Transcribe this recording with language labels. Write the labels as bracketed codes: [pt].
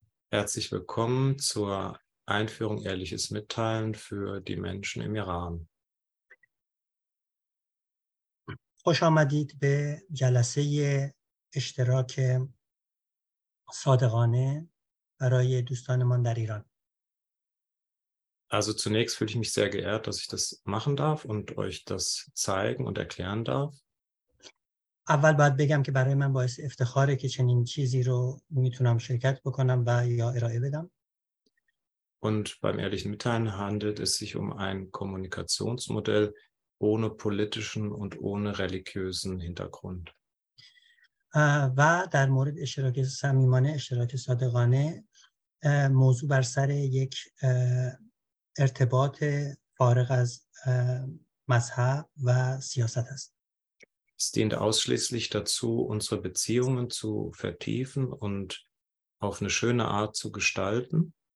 [de] Herzlich willkommen zur Einführung Ehrliches Mitteilen für die Menschen im Iran. [fa] خوش آمدید به جلسه اشتراک صادقانه برای دوستانمان در ایران. [de] Also zunächst fühle ich mich sehr geehrt, dass ich das machen darf und euch das zeigen und erklären darf. [fa] اول باید بگم که برای من باعث افتخاره که چنین چیزی رو میتونم شرکت بکنم و یا ارائه بدم. [de] Und beim ehrlichen Mitteilen handelt es sich um ein Kommunikationsmodell ohne politischen und ohne religiösen Hintergrund. [fa] و در مورد اشتراک صمیمانه اشتراک صادقانه موضوع بر سر یک ارتباط فارغ از مذهب و سیاست است. [de] Es dient ausschließlich dazu, unsere Beziehungen zu vertiefen und auf eine schöne Art zu gestalten.